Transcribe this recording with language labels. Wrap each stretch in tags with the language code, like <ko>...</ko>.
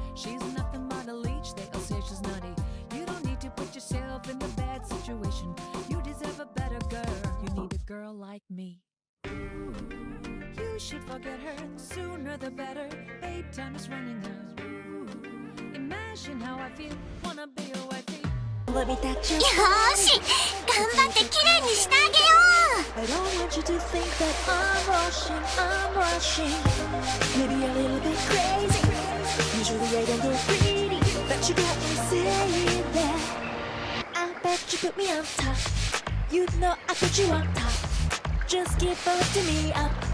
<en>She's nothing but a leech, they all say she's nutty. You don't need to put yourself in a bad situation. You deserve a better girl. You need a girl like me. Ooh, you You should forget her. Sooner the better. Babe, time is running out. Imagine how I feel. Wanna be your wifey.</en> <ja>よーし、頑張って綺麗にしてあげよう。</ja> <en>I don't want you to think that I'm rushing, I'm rushing. Maybe a little bit crazy. Usually I don't go greedy. But you got me saying that. I bet you put me on top. You know I put you on top. Just keep lifting me up.</en>